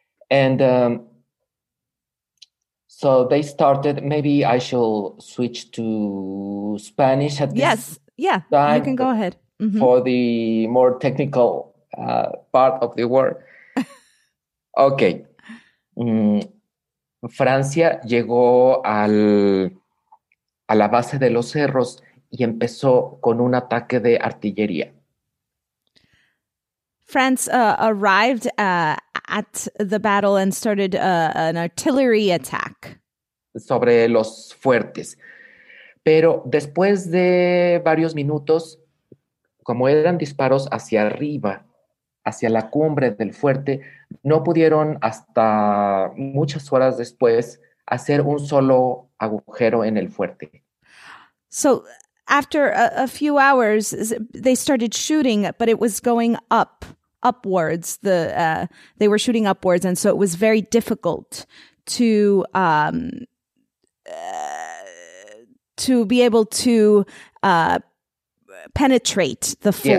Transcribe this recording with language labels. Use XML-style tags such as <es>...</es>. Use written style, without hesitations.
<en>And so they started, maybe I shall switch to Spanish at this. Yes. Yeah, you can go ahead. Mm-hmm. For the more technical part of the war. Okay.</en> <es>Francia llegó a la base de los cerros y empezó con un ataque de artillería.</es> <en>France arrived at the battle and started an artillery attack.</en> <es>Sobre los fuertes. Pero después de varios minutos, como eran disparos hacia arriba, hacia la cumbre del fuerte, no pudieron hasta muchas horas después hacer un solo agujero en el fuerte.</es> <en>So after a few hours, they started shooting, but it was going upwards. They were shooting upwards, and so it was very difficult to be able to penetrate the fort.</en>